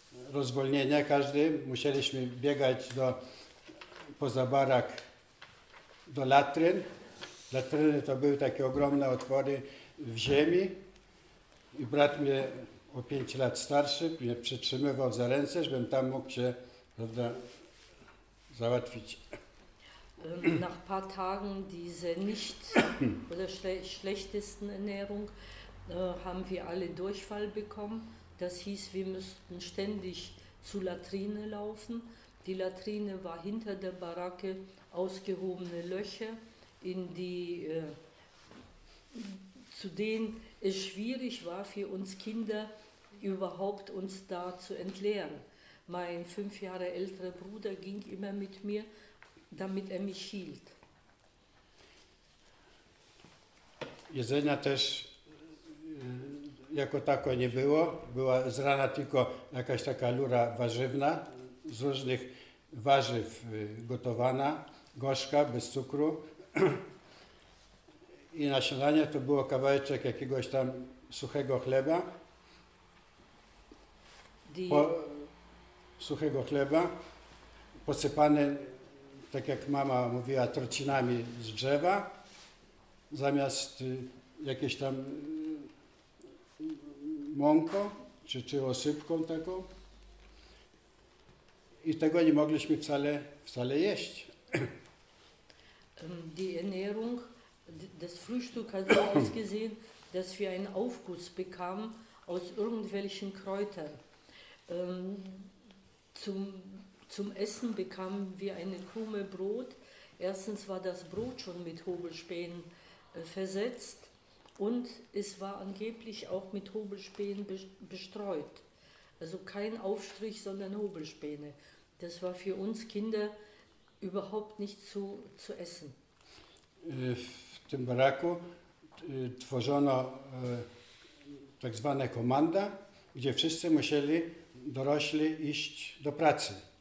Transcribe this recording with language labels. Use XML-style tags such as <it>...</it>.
<pl>Rozwolnienia każdy. Musieliśmy biegać poza barak do latryn. Latryny to były takie ogromne otwory w ziemi. I brat mnie o 5 lat starszy mnie przytrzymywał za ręce, żebym tam mógł się, prawda, załatwić.</pl> <de>Nach paar Tagen dieser nicht oder schlechtesten Ernährung haben wir alle Durchfall bekommen. Das hieß, wir müssten ständig zu Latrine laufen. Die Latrine war hinter der Baracke, ausgehobene Löcher, in die, zu denen es schwierig war für uns Kinder, überhaupt uns da zu entleeren. Mein 5 Jahre älterer Bruder ging immer mit mir, damit mich hielt.</de> <pl>jedzenia też jako tako nie było. Była z rana tylko jakaś taka lura warzywna, z różnych warzyw gotowana, gorzka, bez cukru. I na śniadanie to było kawałeczek jakiegoś tam suchego chleba. Suchego chleba, posypane, tak jak mama mówiła, trocinami z drzewa, zamiast jakieś tam mąką, czy osypką taką. I tego nie mogliśmy wcale jeść.</pl> <de>Die Ernährung, das Frühstück hat so ausgesehen, dass wir einen Aufguss bekamen aus irgendwelchen Kräutern. Zum Essen bekamen wir eine Krume Brot. Erstens war das Brot schon mit Hobelspänen versetzt und es war angeblich auch mit Hobelspänen bestreut. Also kein Aufstrich, sondern Hobelspäne. Das war für uns Kinder überhaupt nicht zu essen.</de> <pl>W tym baraku tworzono tak zwane komanda, gdzie wszyscy musieli dorośli iść do pracy.</pl>